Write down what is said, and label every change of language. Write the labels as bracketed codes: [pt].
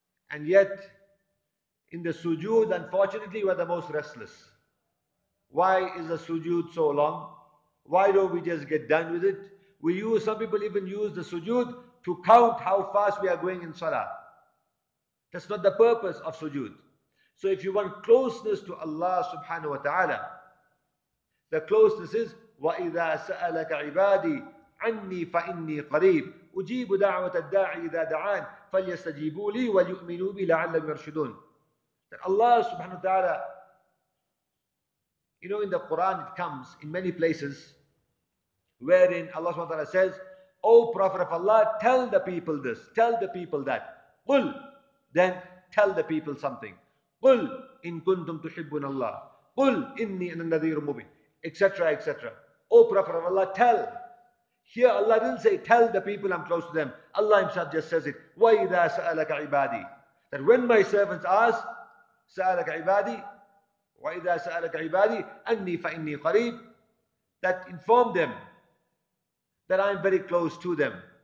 [en] And yet, in the sujood, unfortunately, we're the most restless. Why is the sujood so long? Why don't we just get done with it? Some people even use the sujood to count how fast we are going in salah. That's not the purpose of sujood. So if you want closeness to Allah subhanahu wa ta'ala, the closeness is, [ar] وَإِذَا سَأَلَكَ عِبَادِي عَنِّي فَإِنِّي قَرِيبٌ أُجِيبُ دَعْوَةَ الدَّاعِ إِذَا دَعَانِ فَلْيَسْتَجِيبُوا لِي وَلْيُؤْمِنُوا بِي لَعَلَّهُمْ يَرْشُدُونَ. [en] That Allah subhanahu wa ta'ala, you know, in the Quran it comes in many places wherein Allah subhanahu wa ta'ala says, O Prophet of Allah, tell the people this, tell the people that. [ar] قُلْ, [en] then tell the people something. [ar] قُلْ إِن كُنْتُمْ تُحِبُّونَ اللَّهِ قُلْ إِنِّي أَنَا النَّذِيرُ مُبِينٌ, etc., etc. [en] O Prophet of Allah, tell. Here Allah didn't say, tell the people I'm close to them. Allah himself just says it. [ar] وَإِذَا سَأَلَكَ عِبَادِي, [en] that when my servants ask, [ar] سَأَلَكَ عِبَادِي, وَإِذَا سَأَلَكَ عِبَادِي أَنِّي فَإِنِّي قَرِيبٌ, [en] that inform them that I'm very close to them.